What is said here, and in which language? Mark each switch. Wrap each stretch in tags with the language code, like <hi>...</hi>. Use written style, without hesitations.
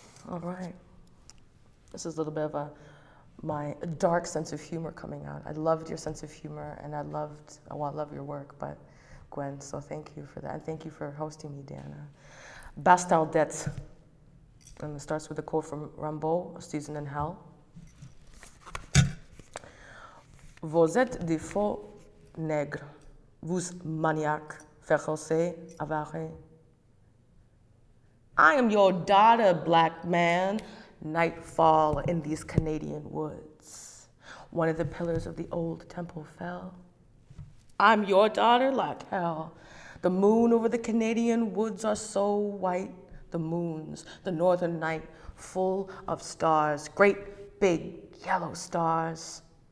<en>All right. This is a little bit of my dark sense of humor coming out. I loved your sense of humor, and I love your work, but Gwen, so thank you for that. And thank you for hosting me, Diana. Bastaldette, and it starts with a quote from Rimbaud, A Season in Hell.</en> <fr>Vous êtes des faux nègres, vous maniaques, féroces, avares.</fr> <en>I am your daughter, black man. Nightfall in these Canadian woods. One of the pillars of the old temple fell. I'm your daughter, like hell. The moon over the Canadian woods are so white. The moons, the northern night, full of stars, great big yellow stars.</en>